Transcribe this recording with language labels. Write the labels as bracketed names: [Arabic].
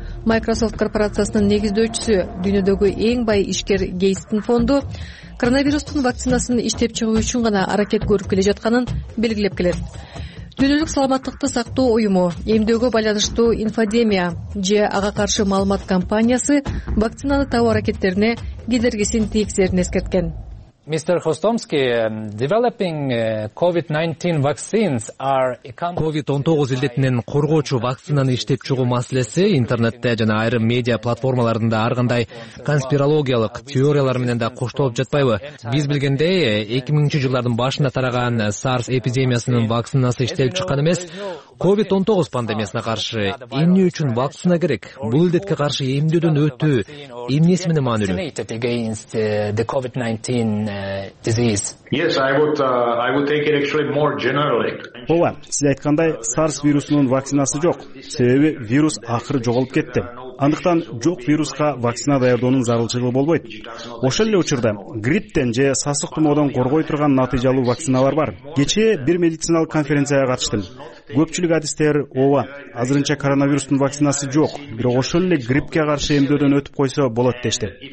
[Kyrgyz] Microsoft корпорациясынын негиздөөчүсү, дүйнөдөгү эң бай ишкер Гейтстин фонду коронавирустун вакцинасын иштеп чыгуу үчүн гана аракет көрүп келе жатканын белгилеп келет. Дүйнөлүк саламаттыкты сактоо уюму, эмдөөгө байланыштуу инфодемия же ага каршы маалымат компаниясы вакцинаны табуу аракеттерине кедергисин тийгизэрин эскерткен. [English] Mr. Khostomsky, developing COVID-19 vaccines are [Kyrgyz] COVID-19 илдетинен коргоочу вакцинаны иштеп чыгуу маселеси интернетте жана айрым медиа платформаларында ар кандай конспирологиялык теориялар менен да коштолуп жатпайбы? Биз билгендей, 2000-жылдардын башында тараган SARS эпидемиясынын вакцинасы иштеп чыккан эмес. COVID-19 пандемиясына каршы эмне үчүн вакцина керек? Бул илдетке каршы эмдөөдөн өтүү эмнеси менен маанилүү? [English] Yes, I would take it actually more generally. [Kyrgyz] Ооба, сиз айткандай SARS вирусунун вакцинасы жок. Себеби вирус акыры жоголуп кетти. Андыктан жок вируска вакцина даярдоонун зарылчылыгы болбойт. Ошол эле учурда грипптен же сасык тумоодон коргой турган натыйжалуу вакциналар бар. Кечээ бир медициналык конференцияга катыштым. Көпчүлүк адистер ооба, азырынча коронавирустун вакцинасы жок, бирок ошол эле гриппке каршы эмдөөдөн өтүп койсо болот дешти.